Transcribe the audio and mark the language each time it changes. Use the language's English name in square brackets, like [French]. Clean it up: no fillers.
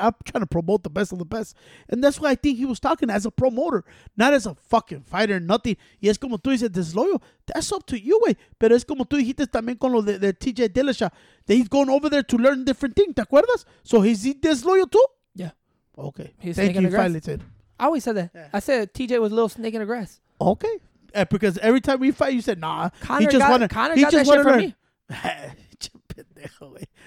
[English] I'm trying to promote the best of the best. And that's why I think he was talking as a promoter, not as a fucking fighter, nothing. [Spanish] Y es como tú dices, disloyal. [English] That's up to you, [Spanish] güey. Pero es como tú dijiste también con lo de TJ Dillashaw. [English] That he's going over there to learn different things. [Spanish] ¿Te acuerdas? [English] So is he disloyal too? Okay. He's thank you, finally said. I always said that. Yeah. I said TJ was a little snake in the grass. Okay. Because every time we fight, you said, nah. Connor he just got, wanted, Connor he got just that shit from me.